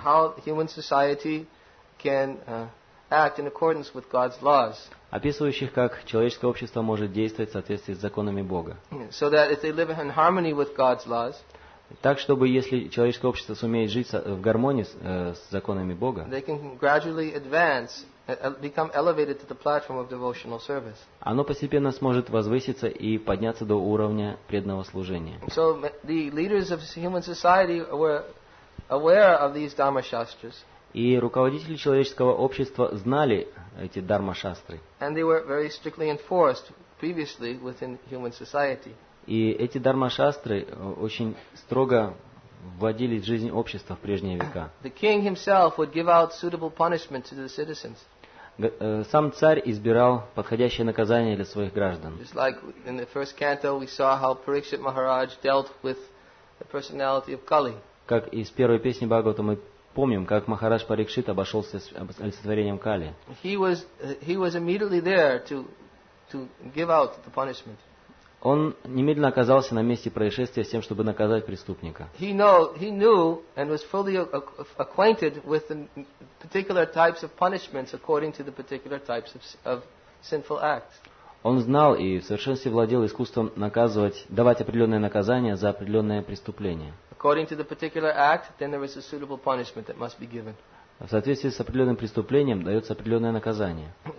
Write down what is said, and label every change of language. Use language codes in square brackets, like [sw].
[en] How human society can act in accordance with God's laws. [ru] Описывающих, как человеческое общество может действовать в соответствии с законами Бога. [en] So that if they live in harmony with God's laws, [ru] так, чтобы если человеческое общество сумеет жить в гармонии с законами Бога, [en] they can gradually advance become elevated to the platform of devotional service. [ru] Оно постепенно сможет возвыситься и подняться до уровня преданного служения. [en] So the leaders of human society were aware of these dharma shastras. [ru] И руководители человеческого общества знали эти дхарма шастры. [en] And they were very strictly enforced previously within human society. [ru] И эти дхарма шастры очень строго вводились в жизнь общества в прежние века. [en] The king himself would give out suitable punishment to the citizens. [ru] Сам царь избирал подходящее наказание для своих граждан. [en] Just like in the first canto we saw how Parikshit Maharaj dealt with the personality of Kali. [ru] Как из первой песни Бхагавата мы помним, как Махарадж Парикшит обошелся с олицетворением Кали. [en] He was immediately there to give out the punishment. [ru] Он немедленно оказался на месте происшествия с тем, чтобы наказать преступника. [en] He knew and was fully acquainted with the particular types of punishments according to the particular types of sinful acts. [ru] Он знал и в совершенстве владел искусством наказывать, давать определенное наказание за определенное преступление. [en] According to the particular act, then there is a suitable punishment that must be given. [ru] В соответствии с определенным преступлением дается определенное наказание.